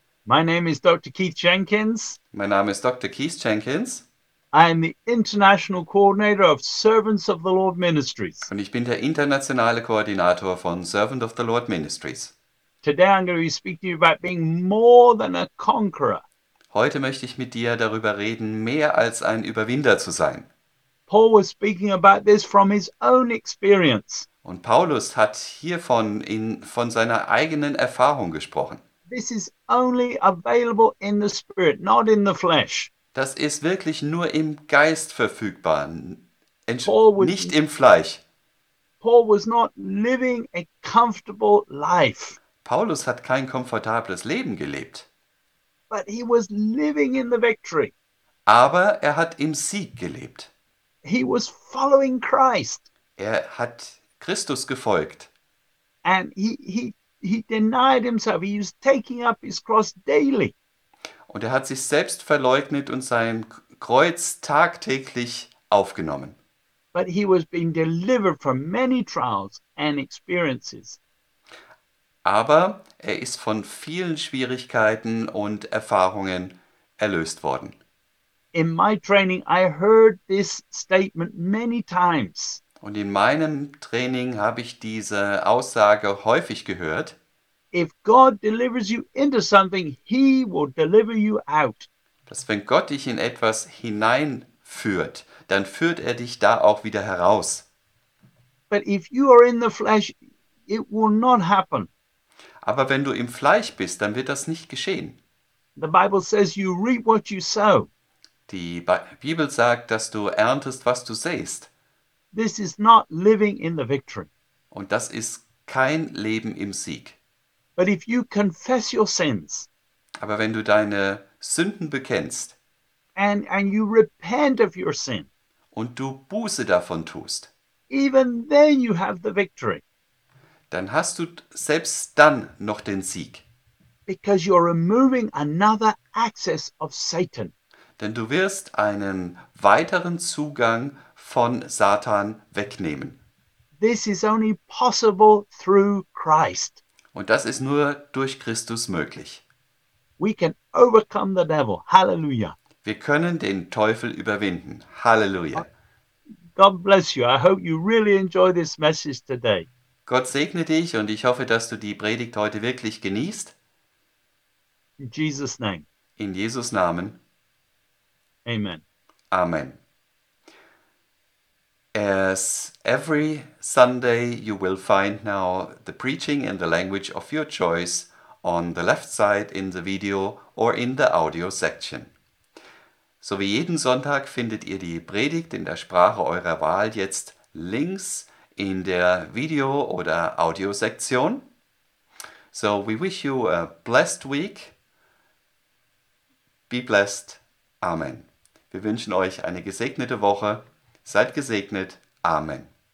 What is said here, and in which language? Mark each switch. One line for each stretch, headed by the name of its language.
English: My name is Dr. Keith Jenkins. My name is Dr. Keith Jenkins. I am the International Coordinator of Servants of the Lord Ministries.
German: Und ich bin der internationale Koordinator von Servant of the Lord Ministries.
English: Today I'm going to speak to you about being more than a conqueror.
German: Heute möchte ich mit dir darüber reden, mehr als ein Überwinder zu sein.
English: Paul was speaking about this from his own experience.
German: Und Paulus hat hiervon von seiner eigenen Erfahrung gesprochen.
English: This is only available in the spirit, not in the flesh.
German: Das ist wirklich nur im Geist verfügbar, nicht im Fleisch.
English: Paul was not living a comfortable life.
German: Paulus hat kein komfortables Leben gelebt.
English: But he was living in the victory.
German: Aber er hat im Sieg gelebt.
English: He was following Christ.
German: Er hat Christus gefolgt.
English: And he denied himself. He was taking up his cross daily.
German: Und er hat sich selbst verleugnet und sein Kreuz tagtäglich aufgenommen.
English: But he was being delivered from many trials and experiences.
German: Aber er ist von vielen Schwierigkeiten und Erfahrungen erlöst worden.
English: In my training, I heard this statement many times.
German: Und in meinem Training habe ich diese Aussage häufig gehört.
English: If God delivers you into something, he will deliver you out.
German: Dass wenn Gott dich in etwas hineinführt, dann führt er dich da auch wieder heraus.
English: But if you are in the flesh, it will not happen.
German: Aber wenn du im Fleisch bist, dann wird das nicht geschehen.
English: The Bible says you reap what you sow.
German: Die Bibel sagt, dass du erntest, was du säst.
English: This is not living in the victory.
German: Und das ist kein Leben im Sieg.
English: But if you confess your sins,
German: aber wenn du deine Sünden bekennst
English: and you repent of your sin,
German: und du Buße davon tust,
English: even then you have the victory.
German: Dann hast du selbst dann noch den Sieg.
English: Because you're removing another access of Satan.
German: Denn du wirst einen weiteren Zugang von Satan wegnehmen.
English: This is only possible through Christ.
German: Und das ist nur durch Christus möglich.
English: We can overcome the devil. Hallelujah.
German: Wir können den Teufel überwinden. Halleluja.
English: God bless you. I hope you really enjoy this message today.
German: Gott segne dich und ich hoffe, dass du die Predigt heute wirklich genießt.
English: In Jesus' name.
German: In Jesus' Namen.
English: Amen.
German: Amen.
English: As every Sunday, you will find now the preaching in the language of your choice on the left side in the video or in the audio section.
German: So wie jeden Sonntag findet ihr die Predigt in der Sprache eurer Wahl jetzt links in der Video- oder Audio-Sektion.
English: So we wish you a blessed week. Be blessed.
German: Amen. Wir wünschen euch eine gesegnete Woche. Seid gesegnet. Amen.